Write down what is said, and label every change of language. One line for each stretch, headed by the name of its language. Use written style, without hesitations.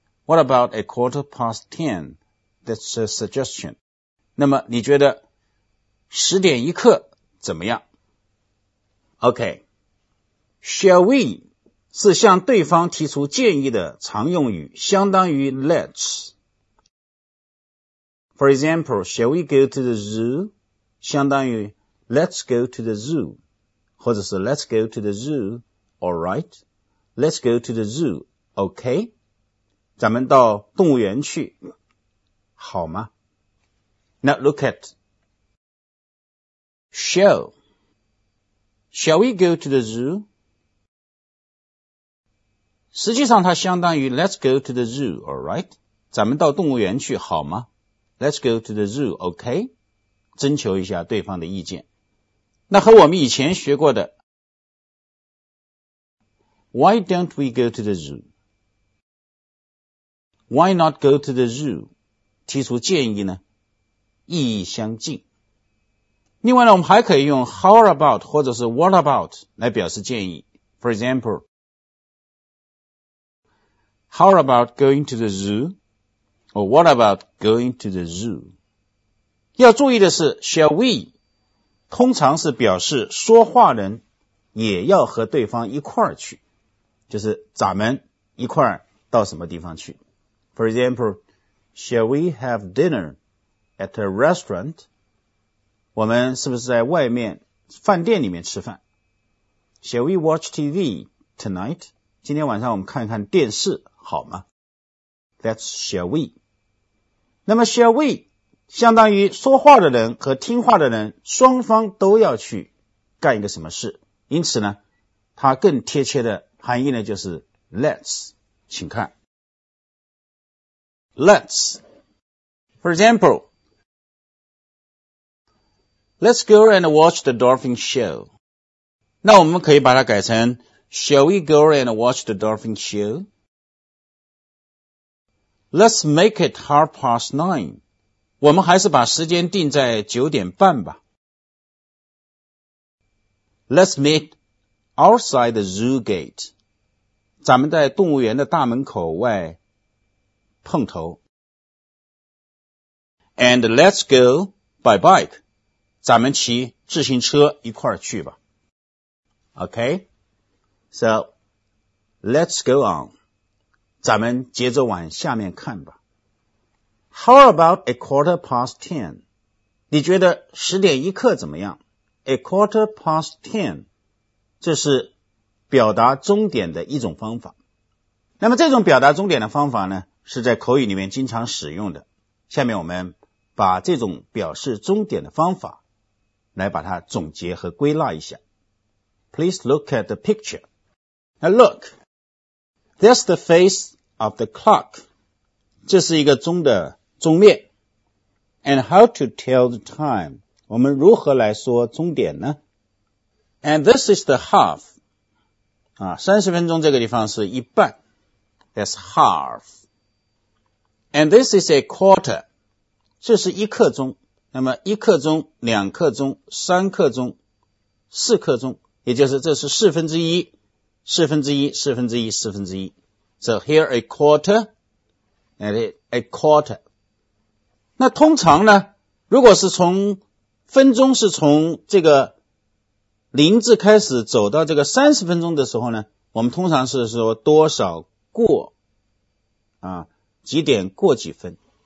English: What about a quarter past ten? That's a suggestion.
Chinese: 那么你觉得十点一刻怎么样？
English: Okay, shall we
Chinese: 是向对方提出建议的常用语，相当于 let's.
English: For example, shall we go to the zoo?
Chinese: 相当于
English: let's go to the zoo,
Chinese: 或者是
English: let's go to the zoo, alright. Let's go to the zoo, okay.
Chinese: 咱们到动物园去好吗？
English: Now look at shall. Shall we go to the zoo?
Chinese: 实际上它相当于
English: let's go to the zoo, alright.
Chinese: 咱们到动物园去好吗？
English: Let's go to the zoo, okay?
Chinese: 征求一下对方的意见。那和我们以前学过的
English: Why don't we go to the zoo? Why not go to the zoo?
Chinese: 提出建议呢，意义相近。另外呢，我们还可以用 How about 或者是 What about 来表示建议。
English: For example, How about going to the zoo? Or what about going to the zoo?
Chinese: 要注意的是 Shall we 通常是表示说话人也要和对方一块儿去，就是咱们一块儿到什么地方去。
English: For example, Shall we have dinner at a restaurant?
Chinese: 我们是不是在外面饭店里面吃饭？
English: Shall we watch TV tonight?
Chinese: 今天晚上我们看一看电视好吗？
English: That's shall we.
Chinese: 那么 shall we 相当于说话的人和听话的人双方都要去干一个什么事，因此呢它更贴切的含义呢就是 let's， 请看
English: let's。 For example, let's go and watch the dolphin show.
Chinese: 那我们可以把它改成
English: shall we go and watch the dolphin show? Let's make it 9:30.
Chinese: 我们还是把时间定在九点半吧。
English: Let's meet outside the zoo gate.
Chinese: 咱们在动物园的大门口外碰头。
English: And let's go by bike.
Chinese: 咱们骑自行车一块儿去吧。
English: Okay? So, let's go on.
Chinese: 咱们接着往下面看吧。
English: How about 9:15?
Chinese: 你觉得十点一刻怎么样？
English: 9:15,
Chinese: 这是表达终点的一种方法。那么这种表达终点的方法呢，是在口语里面经常使用的。下面我们把这种表示终点的方法来把它总结和归纳一下。
English: Please look at the picture. Now look. That's the face of the clock.
Chinese: 这是一个钟的钟面。
English: And how to tell the time?
Chinese: 我们如何来说钟点呢？
English: And this is the half.
Chinese: 30分钟这个地方是一半。
English: That's half. And this is a quarter.
Chinese: 这是一刻钟。那么一刻钟、两刻钟、三刻钟、四刻钟，也就是这是四分之一。四分之一，四分之一，四分之一。
English: So here a quarter and a quarter.
Chinese: 那通常呢，如果是从分钟是从这个零字开始走到这个30分钟的时候呢，我们通常是说多少过几点过几分。